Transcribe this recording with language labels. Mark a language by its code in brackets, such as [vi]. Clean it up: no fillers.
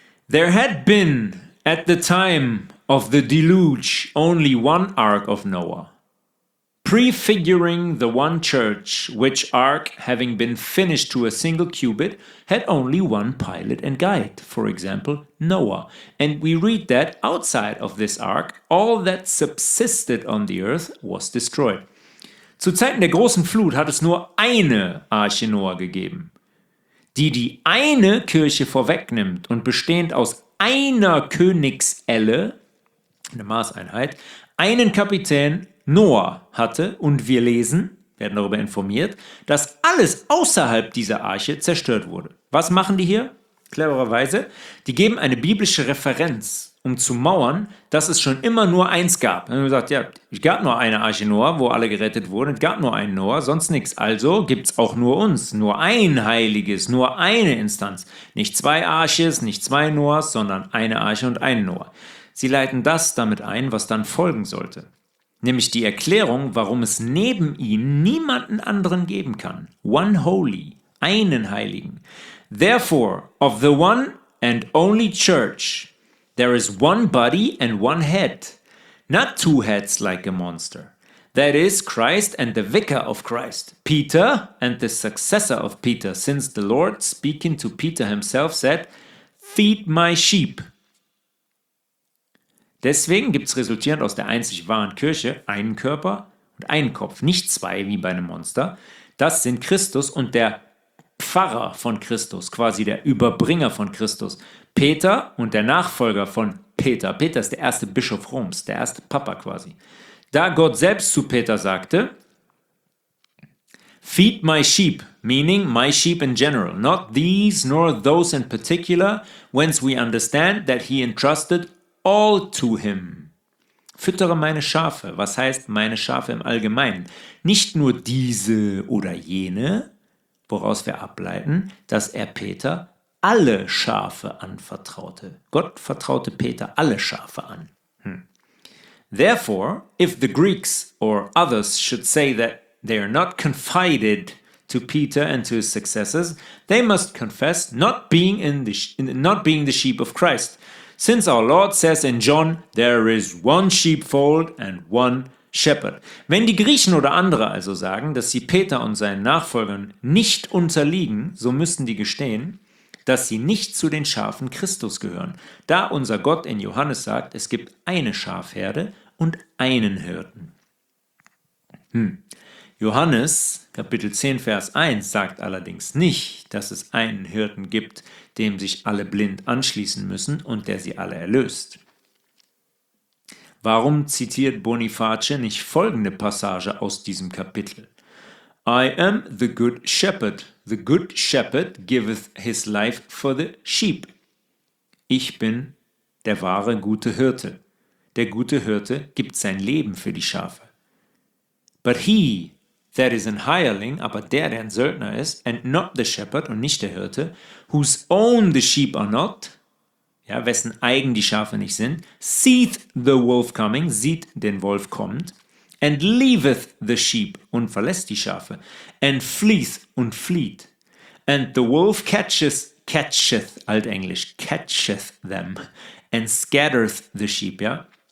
[en] There had been, at the time of the deluge, only one Ark of Noah, prefiguring the one church, which Ark, having been finished to a single cubit, had only one pilot and guide, for example, Noah. And we read that outside of this Ark, all that subsisted on the earth was destroyed. [de] Zu Zeiten der großen Flut hat es nur eine Arche Noah gegeben, die die eine Kirche vorwegnimmt und bestehend aus einer Königselle, eine Maßeinheit, einen Kapitän Noah hatte. Und wir lesen, werden darüber informiert, dass alles außerhalb dieser Arche zerstört wurde. Was machen die hier? Clevererweise, die geben eine biblische Referenz um zu mauern, dass es schon immer nur eins gab. Dann haben wir gesagt, ja, es gab nur eine Arche Noah, wo alle gerettet wurden. Es gab nur einen Noah, sonst nichts. Also gibt es auch nur uns, nur ein Heiliges, nur eine Instanz. Nicht zwei Arches, nicht zwei Noahs, sondern eine Arche und einen Noah. Sie leiten das damit ein, was dann folgen sollte. Nämlich die Erklärung, warum es neben ihm niemanden anderen geben kann. [en] One holy, [de] einen Heiligen. [en] Therefore, of the one and only church, there is one body and one head, not two heads like a monster. That is Christ and the vicar of Christ, Peter and the successor of Peter, since the Lord, speaking to Peter himself, said, feed my sheep. [de] Deswegen gibt es resultierend aus der einzig wahren Kirche einen Körper und einen Kopf, nicht zwei wie bei einem Monster. Das sind Christus und der Pfarrer von Christus, quasi der Überbringer von Christus, Peter und der Nachfolger von Peter. Peter ist der erste Bischof Roms, der erste Papa quasi. Da Gott selbst zu Peter sagte, [en] feed my sheep, meaning my sheep in general, not these nor those in particular, whence we understand that he entrusted all to him. [de] Füttere meine Schafe. Was heißt meine Schafe im Allgemeinen? Nicht nur diese oder jene, woraus wir ableiten, dass er Peter alle Schafe anvertraute. Gott vertraute Peter alle Schafe an. [en] Therefore, if the Greeks or others should say that they are not confided to Peter and to his successors, they must confess not being the sheep of Christ. Since our Lord says in John, there is one sheepfold and one shepherd. [de] Wenn die Griechen oder andere also sagen, dass sie Peter und seinen Nachfolgern nicht unterliegen, so müssen die gestehen, dass sie nicht zu den Schafen Christus gehören. Da unser Gott in Johannes sagt, es gibt eine Schafherde und einen Hirten. Johannes, Kapitel 10, Vers 1, sagt allerdings nicht, dass es einen Hirten gibt, dem sich alle blind anschließen müssen und der sie alle erlöst. Warum zitiert Boniface nicht folgende Passage aus diesem Kapitel? [en] I am the good shepherd. The good shepherd giveth his life for the sheep. [de] Ich bin der wahre gute Hirte. Der gute Hirte gibt sein Leben für die Schafe. [en] But he that is an hireling, [de] aber der ein Söldner ist, [en] and not the shepherd [de] und nicht der Hirte, [en] whose own the sheep are not, [de] ja, wessen eigen die Schafe nicht sind, [en] seeth the wolf coming, [de] sieht den Wolf kommt, [en] and leaveth the sheep [de] und verlässt die Schafe, [en] and fleeth [de] und flieht, [en] and the wolf catcheth, [de] altenglisch, [en] catcheth them, and scattereth the sheep, ja.